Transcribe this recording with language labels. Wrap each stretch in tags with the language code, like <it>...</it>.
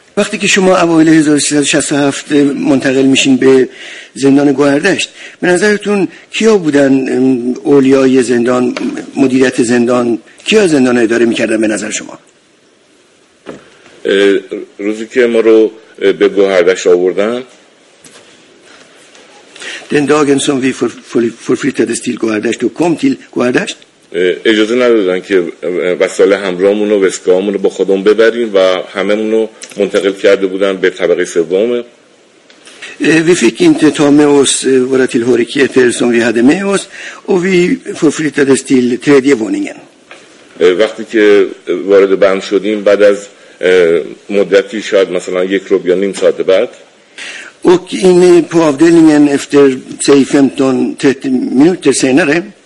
<fa>وقتی که شما اوایل 1367 منتقل میشین به زندان گوهردشت، به نظرتون کیا بودن اولیای زندان، مدیریت زندان، کیا زندان اداره میکردن به نظر شما؟ روزی که ما رو به گوهردشت آوردن،</fa> <sv>den dagen som vi förflyttades till Guardasht och kom till Guardasht.</sv> <fa>اجازه ندادن که وسایل همراهمون و وسکامون رو با خودمون ببریم و هممون رو منتقل کرده بودن به طبقه سوم.</fa> <sv>Vi fick inte ta med oss våra tillhörigheter som vi hade med oss och vi förflyttades till tredje våningen.</sv> <fa>وقتی که وارد بند شدیم بعد از مدتی شاید مثلا یک ربع یا نیم ساعت بعد.</fa> <sv>Och inne på avdelningen efter säg 15-30 minuter senare.</sv>